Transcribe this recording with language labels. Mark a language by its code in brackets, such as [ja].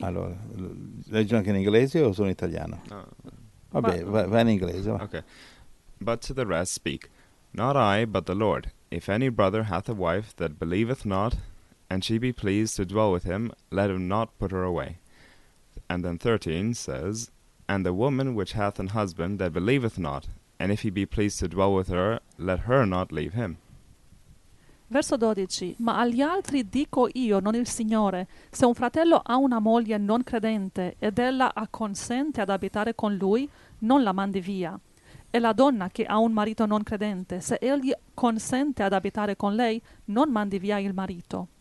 [it] Allora, leggi anche in inglese o sono in italiano? No. Vabbè, va in inglese. Va. Ok. [en] But to the rest speak, not I, but the Lord. If any brother hath a wife that believeth not, and she be pleased to dwell with him, let him not put her away. And then 13 says, and the woman which hath an husband that believeth not, and if he be pleased to dwell with her, let her not leave him. [it] Verso 12, ma agli altri dico io, non il Signore, se un fratello ha una moglie non credente ed ella acconsente ad abitare con lui, non la mandi via. E la donna che ha un marito non credente, se egli consente ad abitare con lei, non mandi via il marito.